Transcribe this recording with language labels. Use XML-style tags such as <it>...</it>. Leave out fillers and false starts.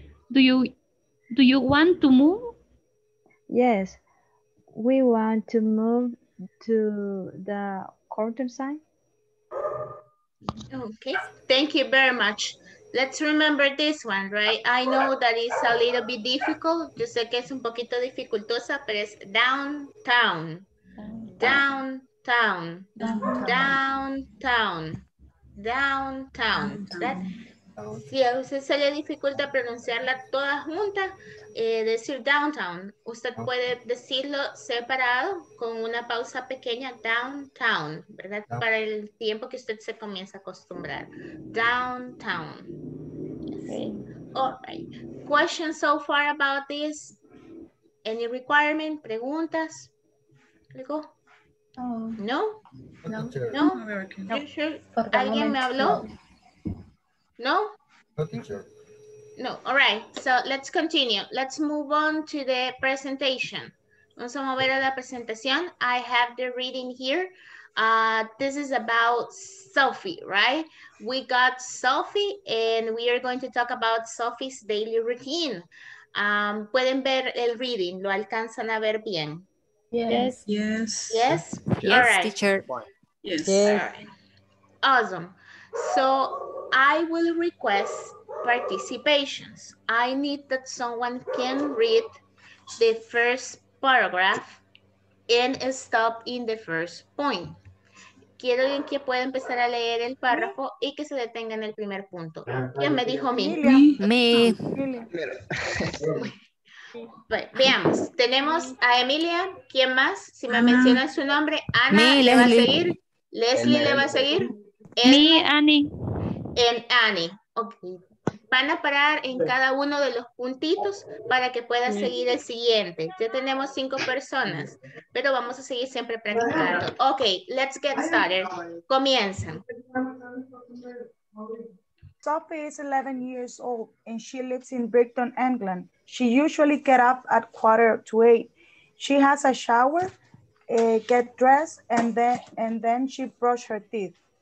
<en>Do you want to move? Yes, we want to move to the countryside. Okay, thank you very much. Let's remember this one, right? I know that it's a little bit difficult.</en> <es>Yo sé que es un poquito dificultosa, pero es downtown.</es> <en>Downtown. Downtown. Downtown.</en> <es>Downtown. Downtown. Si a usted se le dificulta pronunciarla toda junta, decir downtown. Usted puede decirlo separado con una pausa pequeña, downtown, ¿verdad? Downtown. Para el tiempo que usted se comienza a acostumbrar.</es> <en>Downtown. Okay. All right. Questions so far about this? Any requirement? Preguntas? Go. No? No? No? No? Sure?</en> <es>¿Alguien me habló?</es> <en>No? No. All right. So let's continue. Let's move on to the presentation.</en> <es>Vamos a mover a la presentación.</es> <en>I have the reading here. This is about Sophie, right? We got Sophie and we are going to talk about Sophie's daily routine.</en> <es>Pueden ver el reading, lo alcanzan a ver bien.</es> <en>Yes. Yes. Yes. Yes, right. Teacher. Yes. Yes. All right. Awesome. So I will request participations. I need that someone can read the first paragraph and stop in the first point.</en> <es>Quiero alguien que pueda empezar a leer el párrafo y que se detenga en el primer punto. ¿Quién me dijo mí?</es> <en>Me.</en> <es>Veamos, tenemos a Emilia. ¿Quién más? Si me menciona su nombre, Ana le va a seguir. Leslie le va a seguir.</es> <en>Me, Annie.</en> <es>En Annie, ok. Van a parar en cada uno de los puntitos para que pueda seguir el siguiente. Ya tenemos 5 personas, pero vamos a seguir siempre practicando.</es> <en>Ok, let's get started.</en> <es>Comienzan.</es> <en>Sophie is 11 years old and she lives in Brighton, England. She usually get up at 7:45. She has a shower, get dressed, and then she brush her teeth.</en>